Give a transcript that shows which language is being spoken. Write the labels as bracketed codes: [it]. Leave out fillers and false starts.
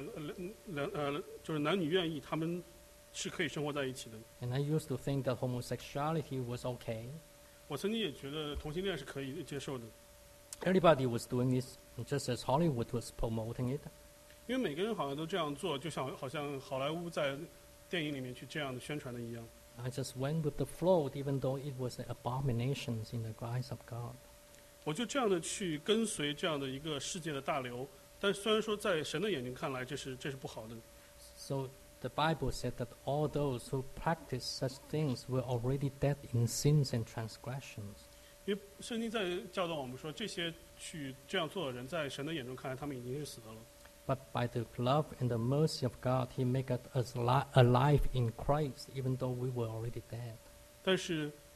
[zh] 我曾经也觉得，就是说只要两个人愿意，就是男女愿意，他们。是可以生活在一起的。 [en] And I used to think that homosexuality was okay. [zh] 我曾经也觉得同性恋是可以接受的。 [en] Everybody was doing this just as Hollywood was promoting it. [zh] 因为每个人好像都这样做，就像好像好莱坞在电影里面去这样的宣传的一样。 [en] I just went with the flow, even though it was an abomination in the eyes of God. [zh] 我就这样的去跟随这样的一个世界的大流，但虽然说在神的眼睛看来，这是不好的。 [en] So. The Bible said that all those who practice such things were already dead in sins and transgressions. [zh] 因为圣经在教导我们说，这些去这样做的人，在神的眼中看来，他们已经是死的了。 [en] But by the love and the mercy of God, He made us alive in Christ, even though we were already dead.